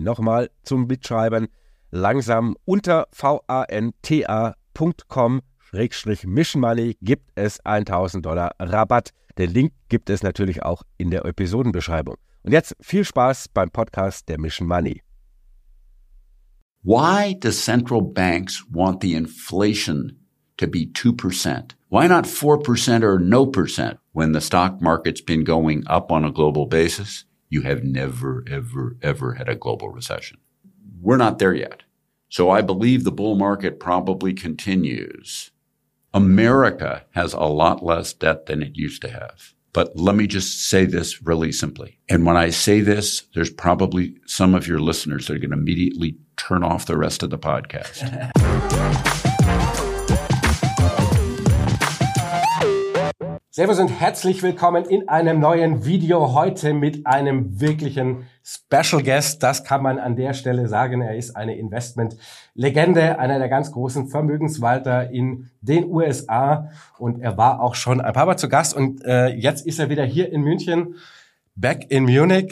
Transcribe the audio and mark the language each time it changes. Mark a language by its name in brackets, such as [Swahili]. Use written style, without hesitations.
[German] Nochmal zum Mitschreiben, langsam unter vanta.com/missionmoney gibt es $1000 Rabatt. Den Link gibt es natürlich auch in der Episodenbeschreibung. Und jetzt viel Spaß beim Podcast der Mission Money. [English] Why do central banks want the inflation to be 2%? Why not 4% or no percent when the stock market's been going up on a global basis? You have never, ever, ever had a global recession. We're not there yet. So I believe the bull market probably continues. America has a lot less debt than it used to have. But let me just say this really simply. And when I say this, there's probably some of your listeners that are going to immediately turn off the rest of the podcast. [German] Servus und herzlich willkommen in einem neuen Video, heute mit einem wirklichen Special Guest. Das kann man an der Stelle sagen, er ist eine Investment-Legende, einer der ganz großen Vermögenswalter in den USA, und er war auch schon ein paar Mal zu Gast, und jetzt ist er wieder hier in München, [English] back in Munich.